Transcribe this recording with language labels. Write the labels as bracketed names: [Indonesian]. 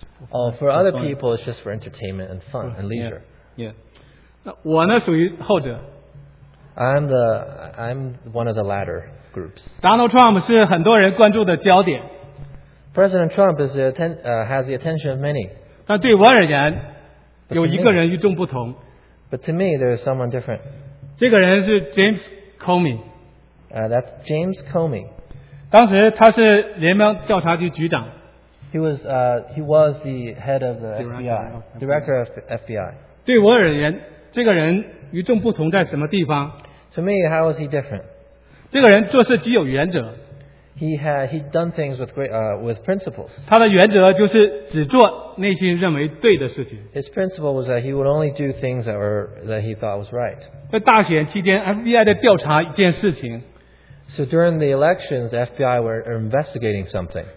[English] Oh, for other people, it's just for entertainment and fun and leisure. Yeah. [Chinese] 我呢属于后者。 [English] I'm one of the latter groups. [Chinese] Donald Trump 是很多人关注的焦点。 [English] President Trump is has the attention of many. [Chinese] 但对我而言，有一个人与众不同。 [English] But to me, there is someone different. [Chinese] 这个人是 James Comey. [English] That's James Comey. [Chinese] 当时他是联邦调查局局长。 [English] He was the head of the FBI, director of FBI. [Chinese] 对我而言，这个人与众不同在什么地方 [English] ？To me, how is he different? [Chinese] 这个人做事极有原则。 [English] He'd done things with principles. [Chinese] 他的原则就是只做内心认为对的事情。 [English] His principle was that he would only do things that he thought was right. [Chinese] 在大选期间 ，FBI 在调查一件事情。 [English] So during the elections, the FBI were investigating something.